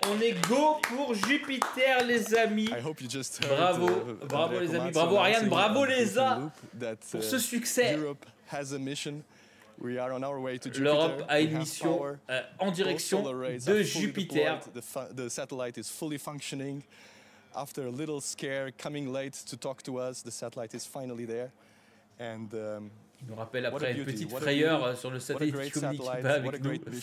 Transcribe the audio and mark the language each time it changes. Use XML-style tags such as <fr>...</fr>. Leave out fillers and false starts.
<fr>On est go pour Jupiter, les amis. Bravo, bravo les amis, bravo Ariane, bravo l'ESA pour ce succès. L'Europe a une mission en direction de Jupiter.</fr> <en>The satellite is fully functioning. After a little scare, coming late to talk to us, the satellite is finally there. And</en> <fr>il nous rappelle après une petite frayeur sur le satellite qui communique pas avec nous.</fr>